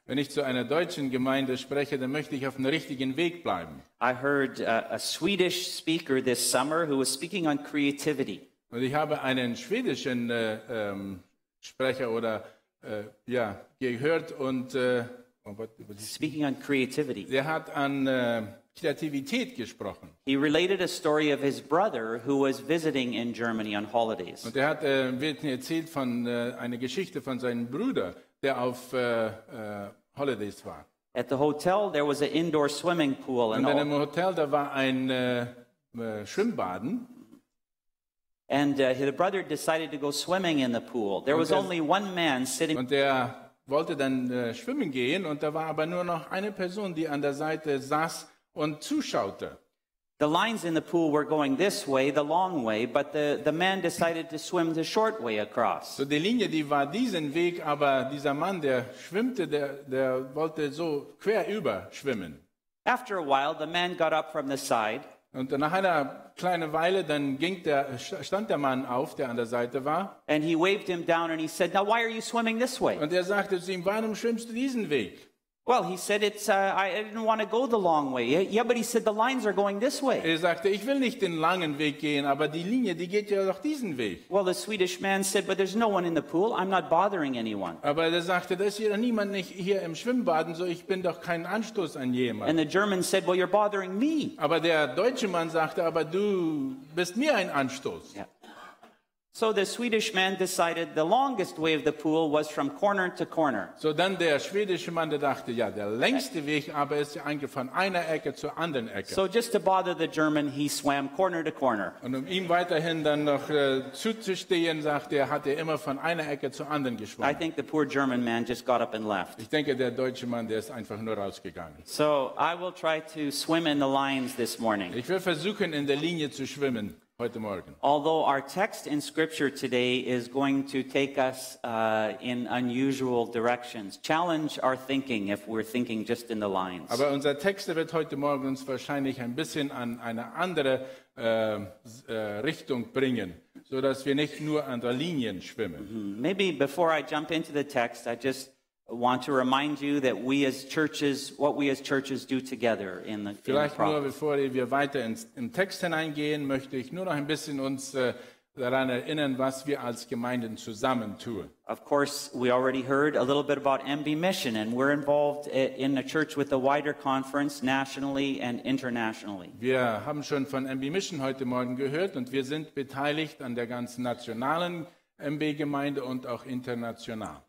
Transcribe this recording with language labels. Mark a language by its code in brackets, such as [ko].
[de] Wenn ich zu einer deutschen Gemeinde spreche, dann möchte ich auf dem richtigen Weg bleiben. [en] I heard a Swedish speaker this summer who was speaking on creativity. [de] Und ich habe einen schwedischen Sprecher oder gehört und [en] speaking on creativity. [de] Der hat an Kreativität gesprochen. [en] He related a story of his brother who was visiting in Germany on holidays. [de] Und er hat erzählt von einer Geschichte von seinem Bruder, der auf Holidays war. [en] At the hotel there was an indoor swimming pool [de] and in dem Hotel da war ein Schwimmbaden. [en] And his brother decided to go swimming in the pool. There was only one man sitting. [de] Und der wollte dann schwimmen gehen und da war aber nur noch eine Person, die an der Seite saß und zuschaute. [en] The lines in the pool were going this way, the long way, but the man decided to swim the short way across. [de] So die Linie, die war diesen Weg, aber dieser Mann, der schwimmte, der wollte so quer über schwimmen. [en] After a while, the man got up from the side. [de] Und nach einer kleinen Weile, dann stand der Mann auf, der an der Seite war. [en] And he waved him down and he said, now why are you swimming this way? [de] Und sagte zu ihm, warum schwimmst du diesen Weg? [en] Well, he said, I didn't want to go the long way. Yeah, but he said, the lines are going this way. [de] Sagte, ich will nicht den langen Weg gehen, aber die Linie, die geht ja doch diesen Weg. [en] Well, the Swedish man said, but there's no one in the pool. I'm not bothering anyone. [de] Aber sagte, da ist ja niemand hier im Schwimmbaden, so ich bin doch kein Anstoß an jemanden. [en] And the German said, well, you're bothering me. [de] Aber der deutsche Mann sagte, aber du bist mir ein Anstoß. Yeah. [en] So the Swedish man decided the longest way of the pool was from corner to corner. [de] So dann der schwedische Mann, der dachte, ja, der längste Weg, aber ist eigentlich von einer Ecke zur anderen Ecke. [en] So just to bother the German, he swam corner to corner. [de] Und ihm weiterhin dann noch zuzustehen, sagte er, hat er immer von einer Ecke zur anderen geschwommen. [en] I think the poor German man just got up and left. [de] Ich denke, der deutsche Mann, der ist einfach nur rausgegangen. [en] So I will try to swim in the lines this morning. [de] Ich will versuchen, in der Linie zu schwimmen. Heute Morgen. [en] Although our text in Scripture today is going to take us in unusual directions, challenge our thinking if we're thinking just in the lines. [de] Aber unser Text wird heute Morgen uns wahrscheinlich ein bisschen an eine andere Richtung bringen, so dass wir nicht nur an der Linien schwimmen. Mm-hmm. [en] Maybe before I jump into the text, I just want to remind you that we as churches, what we as churches do together in the province. [de] Vielleicht nur bevor wir weiter ins im Text hineingehen, möchte ich nur noch ein bisschen uns daran erinnern, was wir als Gemeinden zusammen tun. [en] Of course, we already heard a little bit about MB Mission, and we're involved in a church with a wider conference nationally and internationally. [de] Wir haben schon von MB Mission heute Morgen gehört, und wir sind beteiligt an der ganzen nationalen MB-Gemeinde und auch international.